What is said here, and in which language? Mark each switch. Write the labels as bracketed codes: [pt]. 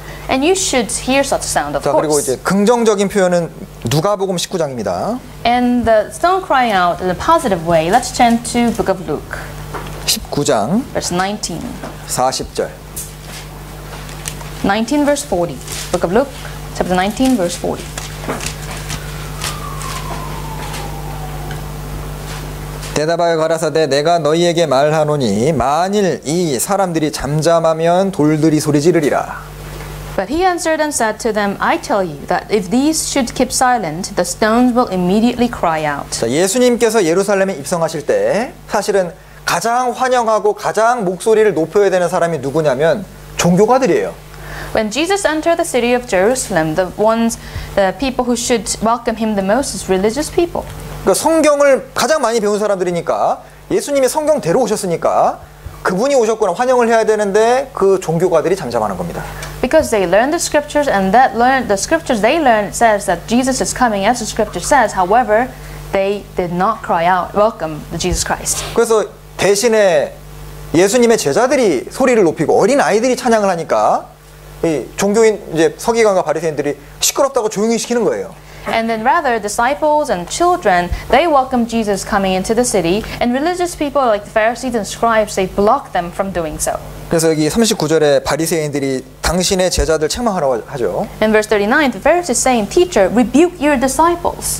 [en] And you should hear such sound, of course. [ko] 그리고 이제 긍정적인 표현은 누가복음 19장입니다. [en] And the stone crying out in a positive way. Let's turn to Book of Luke. [ko] 19장. [en] Verse 19. [ko] 40절. [en] 19 verse 40. Book of Luke, chapter 19, verse 40. [ko] 대답하여 가라사대 내가 너희에게 말하노니 만일 이 사람들이 잠잠하면 돌들이 소리 지르리라. [en] But he answered and said to them, I tell you that if these should keep silent, the stones will immediately cry out. [ko] 자, 예수님께서 예루살렘에 입성하실 때 사실은 가장 환영하고 가장 목소리를 높여야 되는 사람이 누구냐면 종교가들이에요. [en] When Jesus entered the city of Jerusalem, the ones, the people who should welcome him the most is religious people. [ko] 그러니까 성경을 가장 많이 배운 사람들이니까 예수님이 성경대로 오셨으니까 그분이 오셨구나 환영을 해야 되는데 그 종교가들이 잠잠하는 겁니다. [en] Because they learned the scriptures and that learned the scriptures they learned says that Jesus is coming as the scripture says. However, they did not cry out, welcome Jesus Christ. [ko] 그래서 대신에 예수님의 제자들이 소리를 높이고 어린 아이들이 찬양을 하니까 이 종교인 이제 서기관과 바리새인들이 시끄럽다고 조용히 시키는 거예요. [en] And then rather disciples and children they welcome Jesus coming into the city and religious people like the Pharisees and scribes they block them from doing so. [ko] 그래서 여기 39절에 바리새인들이 당신의 제자들 책망하라고 하죠. [en] In verse 39 the Pharisees saying teacher rebuke your disciples.